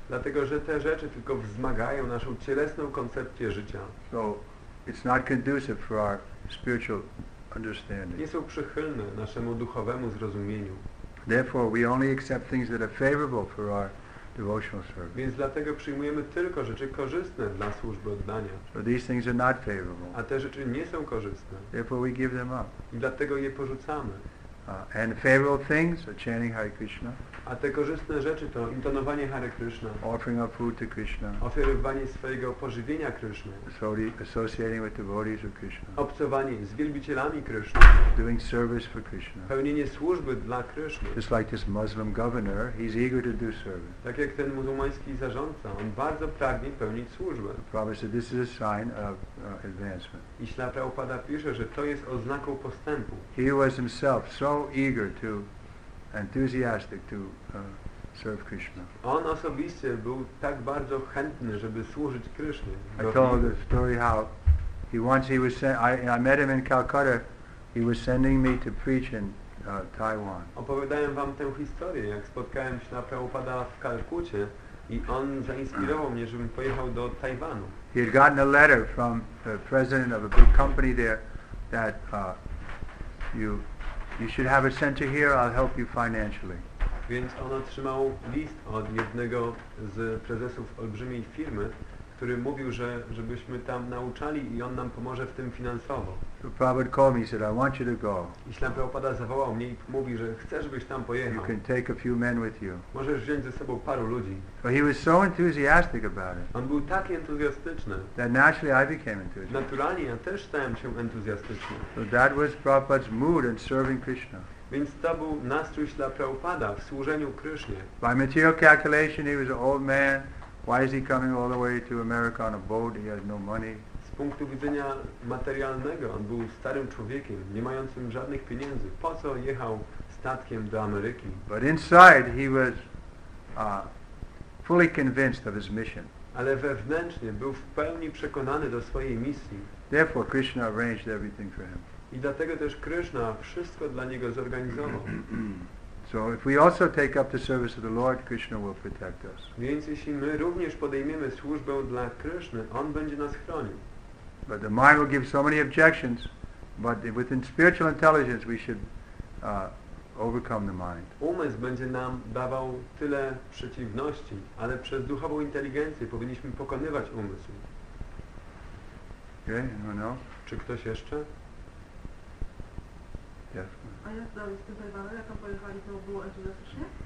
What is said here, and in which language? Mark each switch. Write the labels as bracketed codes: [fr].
[pl] Dlatego, że te rzeczy tylko wzmagają naszą cielesną koncepcję życia. [en] So it's not conducive for our spiritual understanding. [pl] Nie są przychylne naszemu duchowemu zrozumieniu. [en] Therefore we only accept things that are favorable for our devotional service. [pl] Więc dlatego przyjmujemy tylko rzeczy korzystne dla służby oddania. [en] So these things are not favorable. [pl] A te rzeczy nie są korzystne. [en] Therefore we give them up. [pl] I dlatego je porzucamy. [en] And favorable things are chanting Hare Krishna. [pl] A te korzystne rzeczy to intonowanie Hare Krishna. [en] Offering our food to Krishna. [pl] Oferowanie swojego pożywienia Krishna. [en] Associating with devotees of Krishna. [pl] Obcowanie z wielbicielami Krishna. [en] Doing service for Krishna. [pl] Pełnienie służby dla Krishna. [en] Just like this Muslim governor, he's eager to do service. [pl] Tak jak ten muzułmański zarządca, on bardzo pragnie pełnić służbę. [en] Prabhupada said this is a sign of advancement. [pl] I Śrīla Prabhupāda pisze, że to jest oznaką postępu. [en] He was himself so eager to enthusiastic to serve Krishna. [pl] On osobiście był tak bardzo chętny, żeby służyć Krishna. [en] I told the story how he once he was sent. I met him in Calcutta. He was sending me to preach in Taiwan. [pl] Opowiadałem wam tę historię, jak spotkałem się na Prabhupada w Kalkucie i on zainspirował mnie, żebym pojechał do Tajwanu. [en] He had gotten a letter from the president of a big company there that you should have it sent to here, I'll help you financially. [pl] Więc on otrzymał list od jednego z prezesów olbrzymiej firmy, który mówił, że żebyśmy tam nauczali i on nam pomoże w tym finansowo. [en] Prabhupada called me, said, I want you to go. [pl] I Śrīla Prabhupāda zawołał mnie i mówi, że chce, żebyś tam pojechał. [en] You can take a few men with you. [pl] Możesz wziąć ze sobą paru ludzi. [en] But he was so enthusiastic about it. [pl] On był tak entuzjastyczny. [en] That naturally I became enthusiastic. [pl] Naturalnie ja też stałem się entuzjastyczny. [en] So that was Prabhupada's mood in serving Krishna. [pl] Więc to był nastrój Śrīla Prabhupāda w służeniu Krishnie. [en] By material calculation he was an old man. Why is he coming all the way to America on a boat? He has no money. [pl] Z punktu widzenia materialnego, on był starym człowiekiem, nie mającym żadnych pieniędzy. Po co jechał statkiem do Ameryki? [en] But inside he was fully convinced of his mission. [pl] Ale wewnętrznie był w pełni przekonany do swojej misji. [en] Therefore Krishna arranged everything for him. [pl] I dlatego też Krishna wszystko dla niego zorganizował. [en] So if we also take up the service of the Lord, Krishna will protect us. [pl] Więc jeśli my również podejmiemy służbę dla Krishny, on będzie nas chronił. [en] But the mind will give so many objections, but within spiritual intelligence we should overcome the mind. [pl] Umysł będzie nam dawał tyle przeciwności, ale przez duchową inteligencję powinniśmy pokonywać umysł. [en] Okay, anyone else? [pl] Czy ktoś jeszcze? [en] Yes. [pl] A jak dalej z tym Tajwanem? Jak tam pojechali, to było entuzjastycznie?